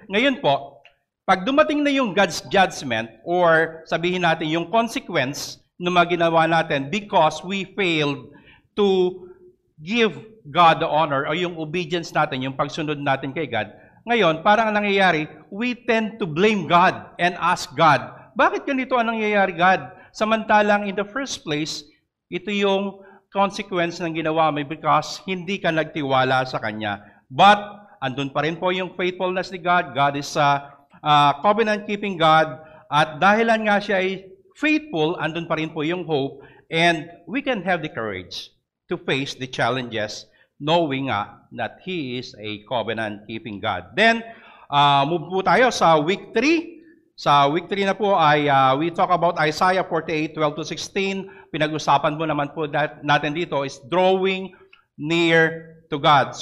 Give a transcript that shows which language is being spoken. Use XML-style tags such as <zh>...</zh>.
<tl>Ngayon po, pag dumating na yung God's judgment or sabihin natin yung consequence na maginawa natin</tl> <en>because we failed to give God the honor</en> <tl>o yung obedience natin, yung pagsunod natin kay God, ngayon, parang nangyayari,</tl> <en>we tend to blame God and ask God,</en> <tl>bakit ganito ang nangyayari, God? Samantalang</tl> <en>in the first place,</en> <tl>ito yung consequence ng ginawa mo because hindi ka nagtiwala sa Kanya. But, andun pa rin po yung faithfulness ni God.</tl> <en>God is a covenant-keeping God.</en> <tl>At dahilan nga siya ay faithful, andun pa rin po yung hope.</tl> <en>And we can have the courage to face the challenges knowing nga that He is a covenant-keeping God.</en> <tl>Then, move po tayo sa week 3. Sa week 3 na po ay</tl> <en>we talk about</en> <tl>Isaiah 48:12-16. Pinag-usapan po naman po natin dito is</tl> <en>drawing near to God.</en>